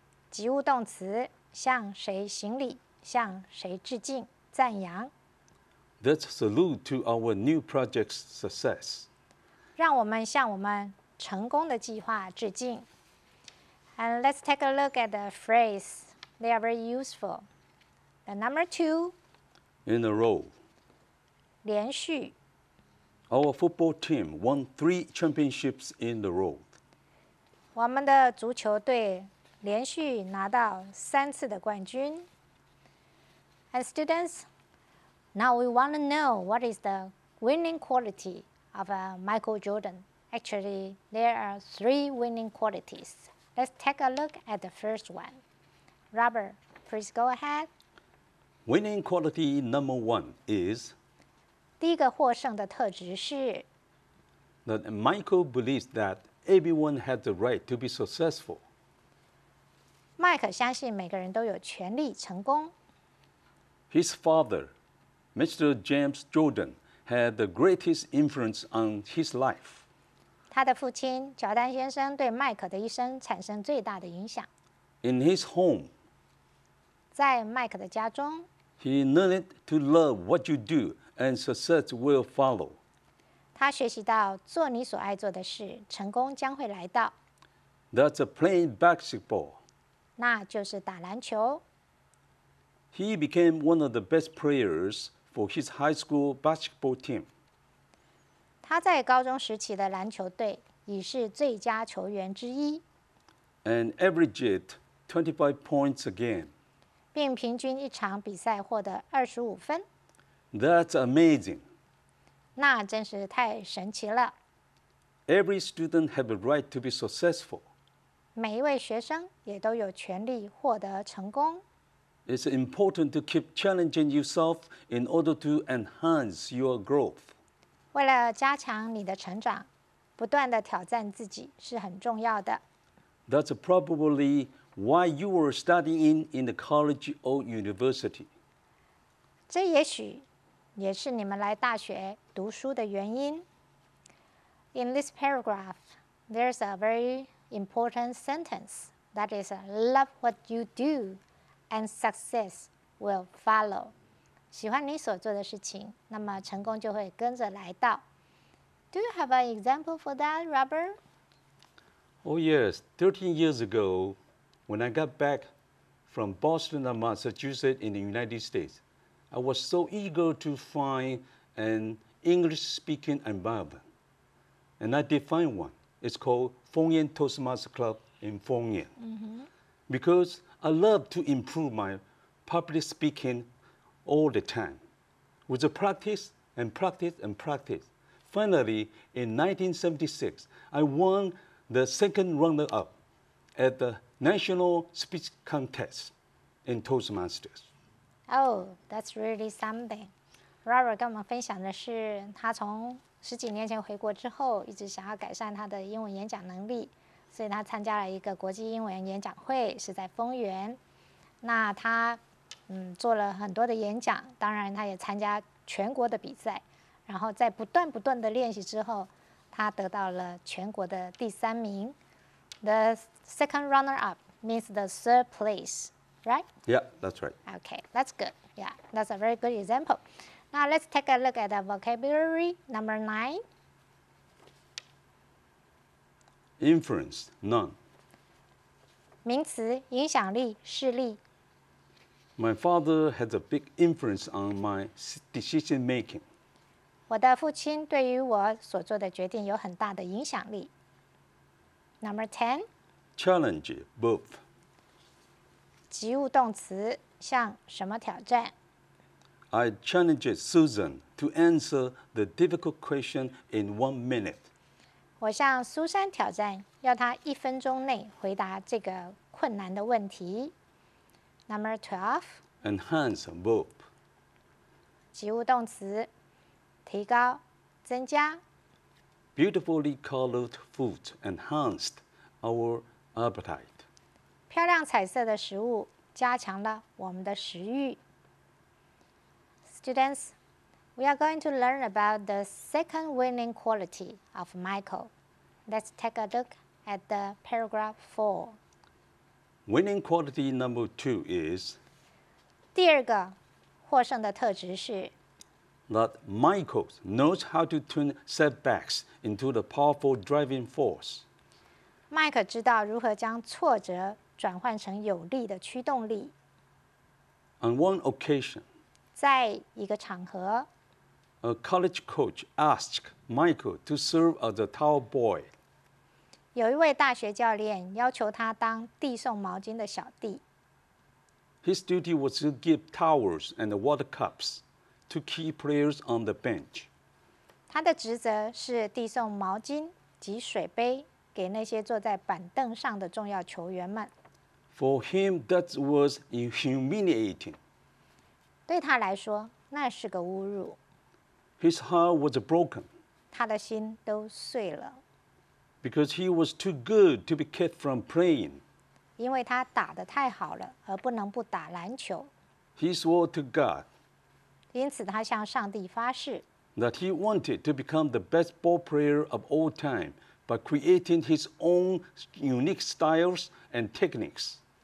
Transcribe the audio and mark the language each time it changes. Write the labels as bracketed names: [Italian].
[Chinese] 及物动词，向谁行礼，向谁致敬，赞扬。 [English] Let's salute to our new project's success. [Chinese] 让我们向我们成功的计划致敬。 [English] And let's take a look at the phrase. They are very useful. The number two. In a row. [Chinese] 连续。 [English] Our football team won 3 championships in a row. [Chinese] 我们的足球队连续拿到三次的冠军。 [English] And students, now we want to know what is the winning quality of Michael Jordan. Actually, there are 3 winning qualities. Let's take a look at the first one. Robert, please go ahead. Winning quality number one is [Chinese] 第一个获胜的特质是 [English] that Michael believes that everyone has the right to be successful. [Chinese] Mike 相信每个人都有权利成功。 [English] His father, Mr. James Jordan, had the greatest influence on his life. [Chinese] 他的父亲乔丹先生对迈克的一生产生最大的影响。 [English] In his home, [Chinese] 在迈克的家中 [English] he learned to love what you do and success will follow. [Chinese] 他学习到做你所爱做的事，成功将会来到。 [English] That's a plain basketball. [Chinese] 那就是打篮球。 [English] He became one of the best players for his high school basketball team. [Chinese] 他在高中时期的篮球队已是最佳球员之一。 [English] And averaged 25 points a game. [Chinese] 并平均一场比赛获得25分。 [English] That's amazing. [Chinese] 那真是太神奇了。 [English] Every student has a right to be successful. [Chinese] 每一位学生也都有权利获得成功。 [English] It's important to keep challenging yourself in order to enhance your growth. [Chinese] 为了加强你的成长，不断的挑战自己是很重要的。 [English] That's probably why you were studying in the college or university. [Chinese] 这也许也是你们来大学读书的原因。 [English] In this paragraph, there's a very important sentence that is love what you do. And success will follow. [Chinese] 喜欢你所做的事情，那么成功就会跟着来到。 [English] Do you have an example for that, Robert? Oh yes, 13 years ago, when I got back from Boston and Massachusetts in the United States, I was so eager to find an English-speaking environment. And I did find one. It's called Fongyan Toastmasters Club in Fongyan. Mm-hmm. Because... I love to improve my public speaking all the time. With the practice and practice and practice, finally, in 1976, I won the second runner-up at the National Speech Contest in Toastmasters. Oh, that's really something. [Chinese] Robert 跟我们分享的是他从十几年前回国之后一直想要改善他的英文演讲能力。所以他参加了一个国际英文演讲会，是在丰原。那他做了很多的演讲，当然他也参加全国的比赛，然后在不断不断的练习之后，他得到了全国的第三名。 [English] The second runner-up means the third place, right? Yeah, that's right. Okay, that's good. Yeah, that's a very good example. Now let's take a look at the vocabulary number 9. Influence, none. [Chinese] 名词，影响力，势力。 [English] My father has a big influence on my decision making. [Chinese] 我的父亲对于我所做的决定有很大的影响力。 [English] Number 10. Challenge, verb. [Chinese] 及物动词，向什么挑战。 [English] I challenged Susan to answer the difficult question in 1 minute. [Chinese] 我向苏珊挑战，要她一分钟内回答这个困难的问题。 [English] Number 12. Enhance verb. [Chinese] 及物动词，提高，增加。 [English] Beautifully colored food enhanced our appetite. [Chinese] 漂亮彩色的食物加强了我们的食欲。 [English] Students, we are going to learn about the second winning quality of Michael. Let's take a look at the paragraph 4. Winning quality number 2 is [Chinese] 第二个获胜的特质是 [English] that Michael knows how to turn setbacks into the powerful driving force. [Chinese] Michael 知道如何将挫折转换成有力的驱动力。 [English] On one occasion, [Chinese] 在一个场合 [English] a college coach asked Michael to serve as a towel boy. [Chinese] 有一位大学教练要求他当递送毛巾的小弟。 [English] His duty was to give towels and water cups to key players on the bench. [Chinese] 他的职责是递送毛巾及水杯给那些坐在板凳上的重要球员们。 [English] For him, that was humiliating. [Chinese] 对他来说，那是个侮辱。 [English] His heart was broken. [Chinese] 他的心都碎了。 [English] Because he was too good to be kept from playing. [Chinese] 因为他打得太好了，而不能不打篮球。 [English] He swore to God. [Chinese] 因此他向上帝发誓。 [English] That he wanted to become the best ball player of all time. By creating his own unique styles and techniques.